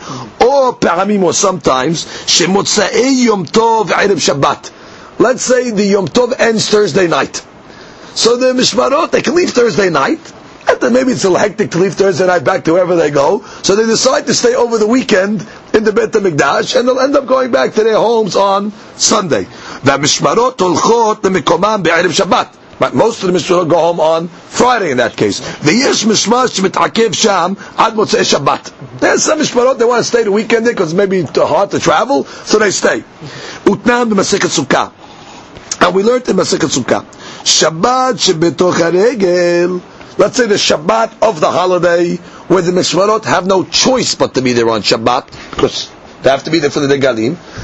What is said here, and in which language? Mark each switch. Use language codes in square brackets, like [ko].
[en] Or sometimes, [he] Shemotzei Yom Tov Erev Shabbat. [en] Let's say the Yom Tov ends Thursday night. So the Mishmarot, they can leave Thursday night. And then maybe it's a little hectic to leave Thursday night back to wherever they go. So they decide to stay over the weekend in the Beit HaMikdash, and they'll end up going back to their homes on Sunday. [he] והמשמרות הולכות למקומם בערב שבת. [en] But most of the Mishmarot go home on Friday in that case. [he] ויש משמר שמתעכב שם עד מוצאי שבת. [en] There's some Mishmarot, they want to stay the weekend there because maybe it's hard to travel, so they stay. [he] ותנם במסכת סוכה. [en] And we learned in [he] מסכת סוכה. שבת שבתוך הרגל. [en] Let's say the Shabbat of the holiday, where the Mishmarot have no choice but to be there on Shabbat, because they have to be there for the Degalim.